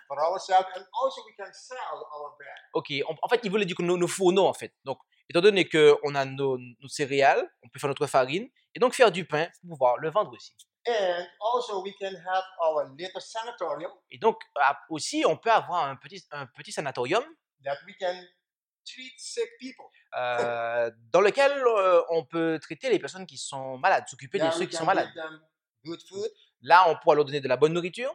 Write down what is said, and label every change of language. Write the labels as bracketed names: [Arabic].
[English] For ourselves and also we can sell our bread. Okay. [French] En fait, il voulait dire que nos fourneaux en fait. Donc étant donné que on a nos céréales, on peut faire notre farine et donc faire du pain pour pouvoir le vendre aussi. [English] And also we can have our little sanatorium. [French] Et donc aussi on peut avoir un petit sanatorium [English] that we can treat sick people. [French] dans lequel on peut traiter les personnes qui sont malades, s'occuper [English] then [French] de ceux qui sont malades. [English] Give them good food. [French] Là, on pourra leur donner de la bonne nourriture.